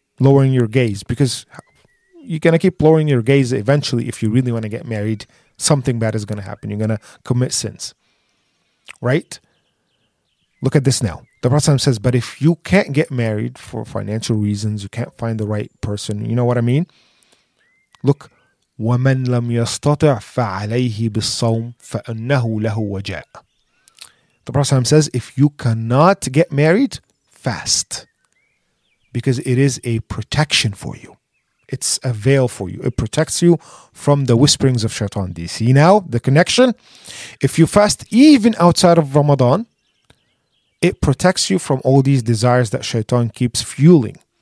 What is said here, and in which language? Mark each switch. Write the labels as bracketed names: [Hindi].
[English] lowering your gaze, because you're going to keep lowering your gaze eventually. If you really want to get married, something bad is going to happen. You're going to commit sins, right? Look at this now. The Prophet says, but if you can't get married for financial reasons, you can't find the right person, you know what I mean? Look, [Arabic] وَمَنْ لَمْ يَسْتَطِعْ فَعَلَيْهِ بِالصَّوْمِ فَأَنَّهُ لَهُ وَجَاءَ. [English] The Prophet says, if you cannot get married, fast. Because it is a protection for you. It's a veil for you. It protects you from the whisperings of shaitan. Do you see now the connection? If you fast even outside of Ramadan, it protects you from all these desires that shaitan keeps fueling.